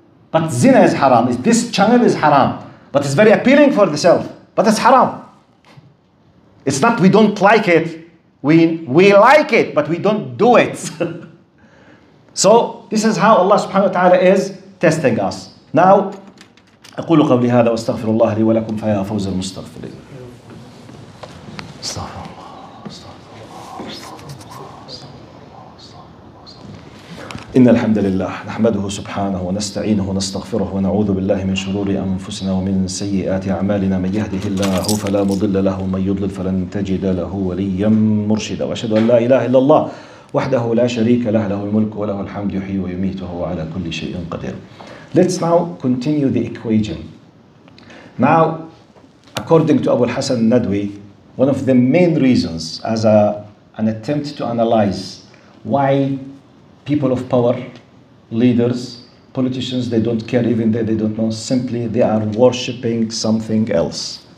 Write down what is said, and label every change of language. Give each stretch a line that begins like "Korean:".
English: But zina is haram. This channel is haram. But it's very appealing for the self. But it's haram. It's not we don't like it. We like it, but we don't do it. So this is how Allah subhanahu wa ta'ala is testing us.
Arabic: Now, أقول قبل هذا واستغفر الله لي ولكم فيا فوز المستغفرين. إن الحمد لله نحمده سبحانه ونستعينه ونستغفره ونعوذ بالله من شرور أنفسنا ومن سيئات أعمالنا, من يهده الله فلا مضل له ومن يضلل فلن تجد له وليا مرشدا, وأشهد أن لا إله إلا الله وحده لا شريك له, له الملك وله الحمد يحيي ويميت وهو على كل شيء قدير.
English: Let's now continue the equation. Now, according to Abu al-Hasan al-Nadwi, one of the main reasons as an attempt to analyze why people of power, leaders, politicians, they don't care even though they don't know, simply they are worshipping something else.